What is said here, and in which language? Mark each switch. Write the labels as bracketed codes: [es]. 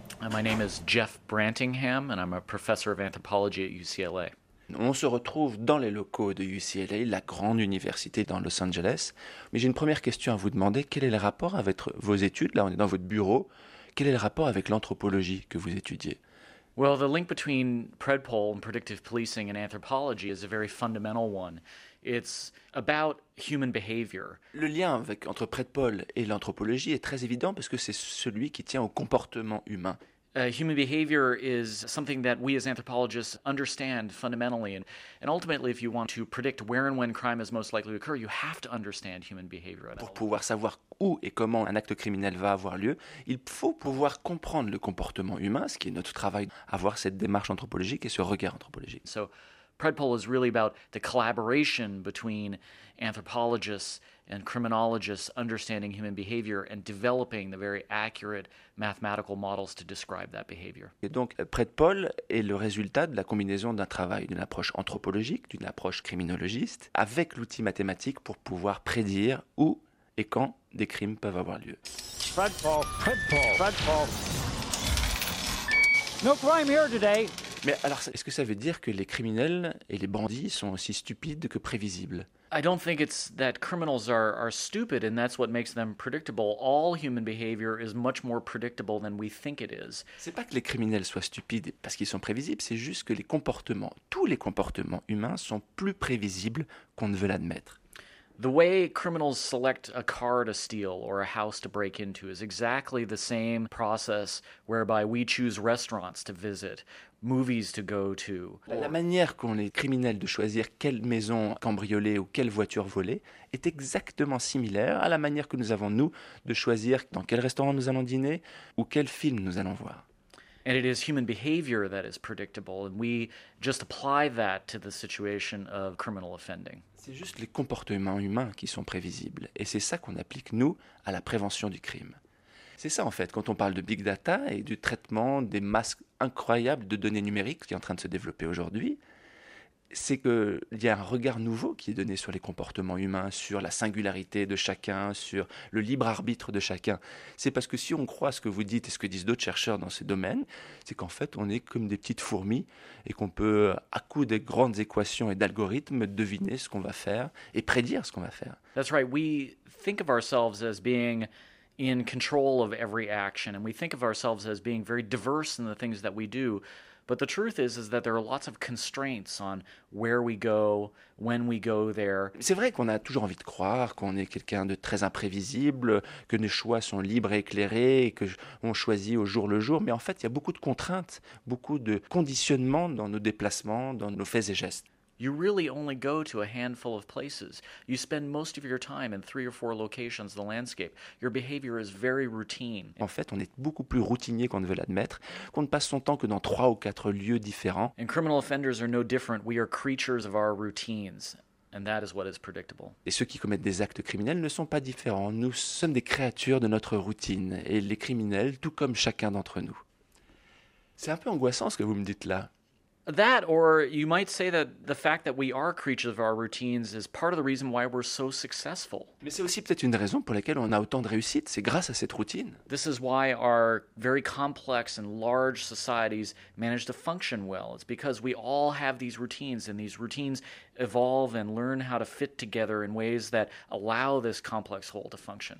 [en] My name is Jeff Brantingham and I'm a professor of anthropology at UCLA. [fr] On se retrouve dans les locaux de UCLA, la grande université dans Los Angeles. Mais j'ai une première question à vous demander. Quel est le rapport avec vos études? Là, on est dans votre bureau. Quel est le rapport avec l'anthropologie que vous étudiez? [en] Well, the link between PredPol and predictive policing and anthropology is a very fundamental one. It's about human behavior. [fr] Le lien entre PredPol et l'anthropologie est très évident parce que c'est celui qui tient au comportement humain. [en] Human behavior is something that we as anthropologists understand fundamentally. And ultimately, if you want to predict where and when crime is most likely to occur, you have to understand human behavior. [fr] Pour pouvoir savoir où et comment un acte criminel va avoir lieu, il faut pouvoir comprendre le comportement humain, ce qui est notre travail, avoir cette démarche anthropologique et ce regard anthropologique. [en] So, PredPol is really about the collaboration between anthropologists and criminologists understanding human behavior and developing the very accurate mathematical models to describe that behavior. [fr] Et donc, PredPol est le résultat de la combinaison d'un travail, d'une approche anthropologique, d'une approche criminologiste, avec l'outil mathématique pour pouvoir prédire où et quand des crimes peuvent avoir lieu. [en] PredPol, PredPol, PredPol. No crime here today. [fr] Mais alors, est-ce que ça veut dire que les criminels et les bandits sont aussi stupides que prévisibles? [en] I don't think it's that criminals are stupid and that's what makes them predictable. All human behavior is much more predictable than we think it is. [fr] C'est pas que les criminels soient stupides parce qu'ils sont prévisibles, c'est juste que les comportements, tous les comportements humains sont plus prévisibles qu'on ne veut l'admettre. [en] The way criminals select a car to steal or a house to break into is exactly the same process whereby we choose restaurants to visit, movies to go to. [fr] La manière qu'ont les criminels de choisir quelle maison cambrioler ou quelle voiture voler est exactement similaire à la manière que nous avons, nous, de choisir dans quel restaurant nous allons dîner ou quel film nous allons voir. [en] And it is human behavior that is predictable, and we just apply that to the situation of criminal offending. [fr] C'est juste les comportements humains qui sont prévisibles, et c'est ça qu'on applique, nous, à la prévention du crime. C'est ça, en fait, quand on parle de big data et du traitement des masses incroyables de données numériques qui est en train de se développer aujourd'hui, c'est qu'il y a un regard nouveau qui est donné sur les comportements humains, sur la singularité de chacun, sur le libre arbitre de chacun. C'est parce que si on croit ce que vous dites et ce que disent d'autres chercheurs dans ces domaines, c'est qu'en fait, on est comme des petites fourmis et qu'on peut, à coup des grandes équations et d'algorithmes, deviner ce qu'on va faire et prédire ce qu'on va faire. [en] That's right. We think of ourselves as being in control of every action, and we think of ourselves as being very diverse in the things that we do. But the truth is that there are lots of constraints on where we go, when we go there. [fr] C'est vrai qu'on a toujours envie de croire qu'on est quelqu'un de très imprévisible, que nos choix sont libres et éclairés, et qu'on choisit au jour le jour. Mais en fait, il y a beaucoup de contraintes, beaucoup de conditionnements dans nos déplacements, dans nos faits et gestes. [en] You really only go to a handful of places. You spend most of your time in three or four locations of the landscape. Your behavior is very routine. [fr] En fait, on est beaucoup plus routinier qu'on ne veut l'admettre, qu'on ne passe son temps que dans trois ou quatre lieux différents. [en] And criminal offenders are no different. We are creatures of our routines. And that is what is predictable. [fr] Et ceux qui commettent des actes criminels ne sont pas différents. Nous sommes des créatures de notre routine. Et les criminels, tout comme chacun d'entre nous. C'est un peu angoissant ce que vous me dites là. [en] That, or you might say that the fact that we are creatures of our routines is part of the reason why we're so successful. [fr] Mais c'est aussi peut-être une raison pour laquelle on a autant de réussite, c'est grâce à cette routine. [en] This is why our very complex and large societies manage to function well. It's because we all have these routines, and these routines evolve and learn how to fit together in ways that allow this complex whole to function.